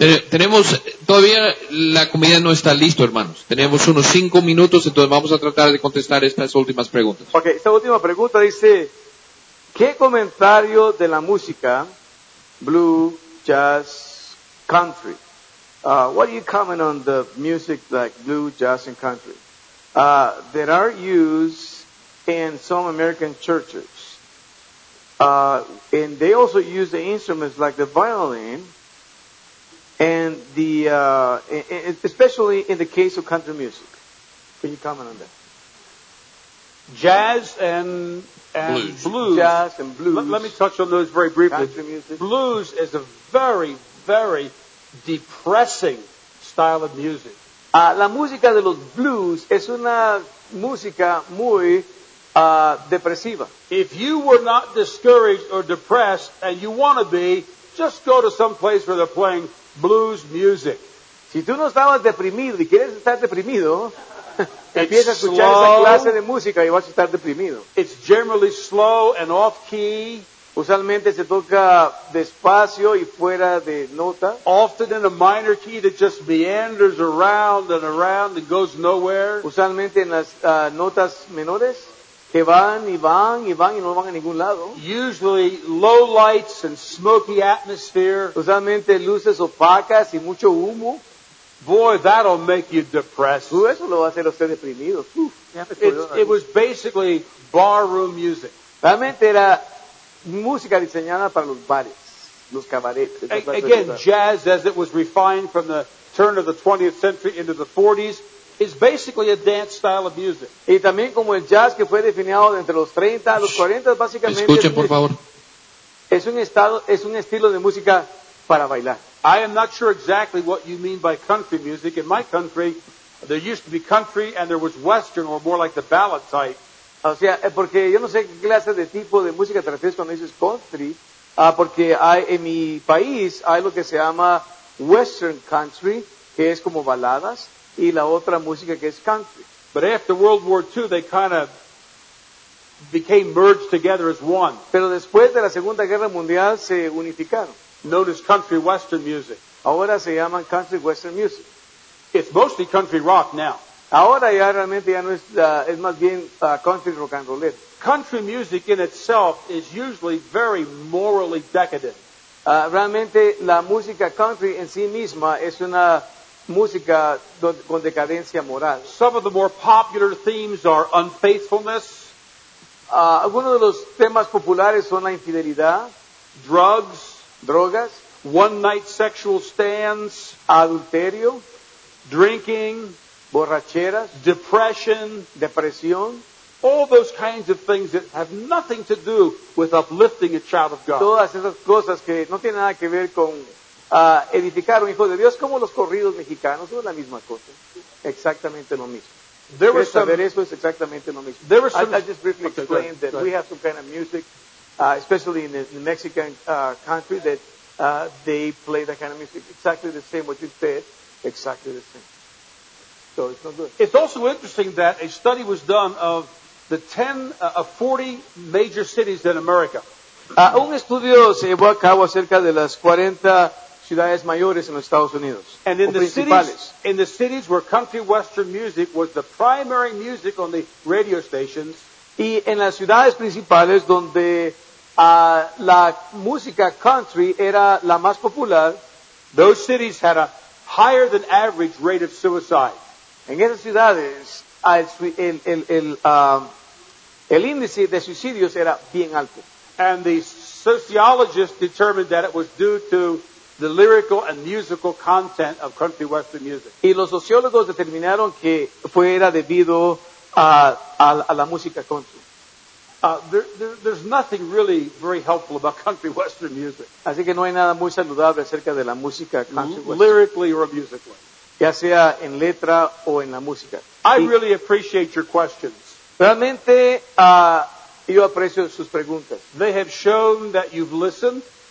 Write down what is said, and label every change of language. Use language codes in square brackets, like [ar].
[es] Tenemos, todavía la comida no está listo, hermanos. Tenemos unos 5 minutos, entonces vamos a tratar de contestar estas últimas preguntas. Ok, esta última pregunta dice, ¿qué comentario de la música, blue, jazz, country? [en] What do you comment on the music like blue, jazz, and country? That are used in some American churches. And they also use the instruments like the violin and the, especially in the case of country music. Can you comment on that? Jazz and blues. Jazz and blues. Let me touch on those very briefly. Country music. Blues is a very, very depressing style of music. [es] La música de los blues es una música muy... depresiva. [en] If you were not discouraged or depressed and you want to be, just go to some place where they're playing blues music. [es] Si tú no estabas deprimido y quieres estar deprimido, empieza a escuchar esa clase de música y vas a estar deprimido. [en] It's generally slow and off key. [es] Usualmente se toca despacio y fuera de nota. [en] Often in a minor key that just meanders around and goes nowhere. [es] Usualmente en las notas menores que van y van y van y no van a ningún lado. [en] Usually low lights and smoky atmosphere. [es] Usualmente luces opacas y mucho humo. [en] Boy, that'll make you depressed. [es] Eso lo va a hacer usted deprimido. [en] It was basically barroom music. [es] Realmente era música diseñada para los bares, los cabarets. [en] Again, jazz as it was refined from the turn of the 20th century into the 40s. Is basically a dance style of music. [es] Y también como el jazz que fue definido entre los 30 a los 40, básicamente. Escuchen, por favor. Es un estilo de música para bailar. [en] I am not sure exactly what you mean by country music. In my country, there used to be country and there was western or more like the ballad type. [es] O sea, porque yo no sé qué clase de tipo de música te refieres cuando dices country, porque hay en mi país hay lo que se llama western country, que es como baladas. Y la otra música que es country. [en] But after World War II, they kind of became merged together as one. [es] Pero después de la Segunda Guerra Mundial se unificaron. [en] Known as country western music. [es] Ahora se llaman country western music. [en] It's mostly country rock now. [es] Ahora ya realmente ya no es, es más bien country rock and roll. [en] Country music in itself is usually very morally decadent. [es] Realmente la música country en sí misma es una música con decadencia moral. [en] Some of the more popular themes are unfaithfulness. [es] Algunos de los temas populares son la infidelidad. [en] Drugs. [es] Drogas. [en] One night sexual stands. [es] Adulterio. [en] Drinking. [es] Borracheras. [en] Depression. [es] Depresión. [en] All those kinds of things that have nothing to do with uplifting a child of God. [es] Todas esas cosas que no tienen nada que ver con... edificar un hijo de Dios como los corridos mexicanos, es la misma cosa, exactamente lo mismo. Quiero saber eso, es exactamente lo mismo. [en] I just briefly explained that we have some kind of music, especially in the Mexican country, that they play that kind of music, exactly the same what you said, exactly the same. So it's not good. It's also interesting that a study was done of the 40 major cities in America. [es] Un estudio se llevó a cabo acerca de las 40 ciudades mayores en los Estados Unidos. [en] And in the cities, where country western music was the primary music on the radio stations. [es] Y en las ciudades principales donde la música country era la más popular, [en] those cities had a higher than average rate of suicide. [es] En esas ciudades el índice de suicidios era bien alto. [en] And the sociologists determined that it was due to the lyrical and musical content of country western music. [es] Y los sociólogos determinaron que fuera debido a la música country. [en] There's nothing really very helpful about country western music. [es] Así que no hay nada muy saludable acerca de la música country western. [en] Lyrically or musically. [es] Ya sea en letra o en la música. [en] I really appreciate your questions. [es] Realmente yo aprecio sus preguntas. [en] They have shown that you've listened.